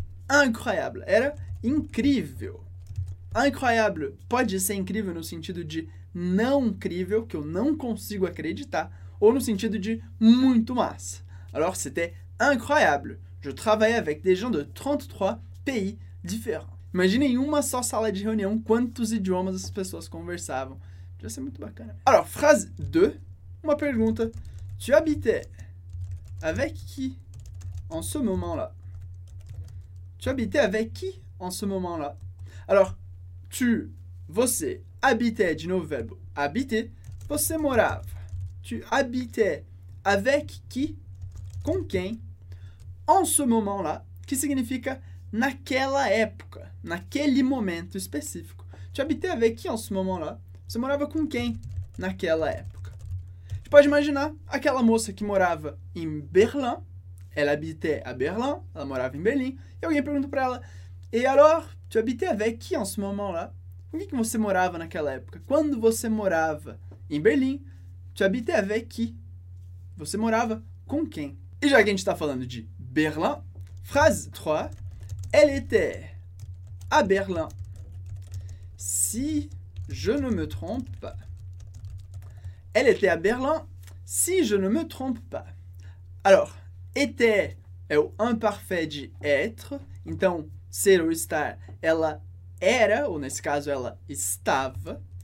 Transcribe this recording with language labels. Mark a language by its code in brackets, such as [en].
[pt] Incroyable, era incrível. Incroyable pode ser incrível no sentido de não crível, que eu não consigo acreditar, ou no sentido de muito massa. [fr] Alors, c'était incroyable. Je travaillais avec des gens de 33 pays différents. [pt] Imagine em uma só sala de reunião quantos idiomas as pessoas conversavam. Devia ser muito bacana. Alors, phrase 2, uma pergunta. [fr] Tu habitais avec qui en ce moment-là? Tu habitais avec qui en ce moment-là? [pt] Alors, tu, você, habitait, de novo verbo, habiter, você morava. [fr] Tu habitais avec qui, [pt] com quem, [fr] en ce moment-là, [pt] que significa naquela época, naquele momento específico. [fr] Tu habitais avec qui en ce moment-là? [pt] Você morava com quem naquela época? Tu pode imaginar aquela moça que morava em Berlim. [fr] Elle habitait à Berlin, [pt] ela morava em Berlim, e alguém pergunta pra ela: [fr] Et alors, tu habitais avec qui en ce moment-là? [pt] Com quem que você morava naquela época? Quando você morava em Berlim, [fr] tu habitais avec qui? [pt] Você morava com quem? E já que a gente tá falando de Berlim, phrase 3, [fr] elle était à Berlin, si je ne me trompe pas. Elle était à Berlin, Si je ne me trompe pas. Alors, était [pt] é o [fr] imparfait de être. [pt] Então, ser ou estar, ela era, ou nesse caso, ela estava.